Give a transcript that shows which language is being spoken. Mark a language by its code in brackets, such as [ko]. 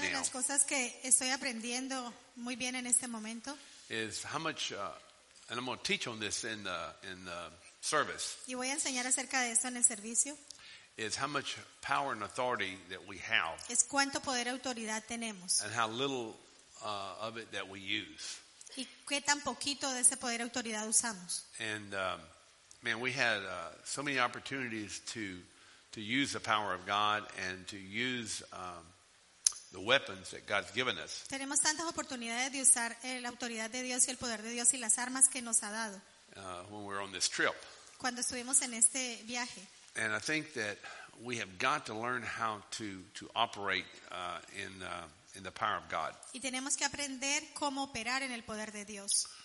[es] cosas que estoy aprendiendo muy bien en este momento. [en] Is how much, and I'm going to teach on this in the service. [es] Y voy a enseñar acerca de esto en el servicio. [en] Is how much power and authority that we have. [es] Es cuánto poder y autoridad tenemos. [en] And how little of it that we use. [es] Y qué tan poquito de ese poder y autoridad usamos. [en] And man, we had so many opportunities to use the power of God and to use the weapons that God's given us. [es] Tenemos tantas oportunidades de usar la autoridad de Dios y el poder de Dios y las armas que nos ha dado. [en] When we were on this trip. [es] Cuando estuvimos en este viaje. [en] And I think that we have got to learn how to operate in the power of God. [es] Y tenemos que aprender cómo operar en el poder de Dios.